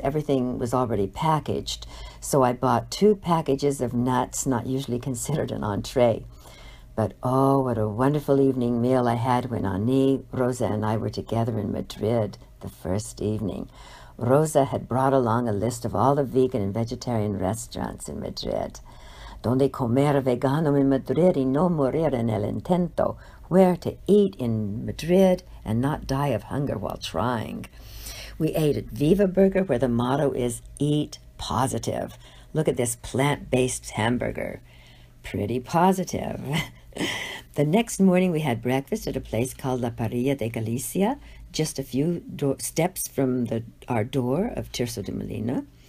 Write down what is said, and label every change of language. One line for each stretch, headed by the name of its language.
English: Everything was already packaged. So I bought two packages of nuts, not usually considered an entree. But oh, what a wonderful evening meal I had when Annie, Rosa, and I were together in Madrid the first evening. Rosa had brought along a list of all the vegan and vegetarian restaurants in Madrid.
Spanish: Donde comer vegano in Madrid y no morir en el intento.
English: Where to eat in Madrid and not die of hunger while trying. We ate at Viva Burger, where the motto is eat positive. Look at this plant-based hamburger. Pretty positive. The next morning, we had breakfast at a place called La Parrilla de Galicia, just a few steps from our door of Tirso de Molina.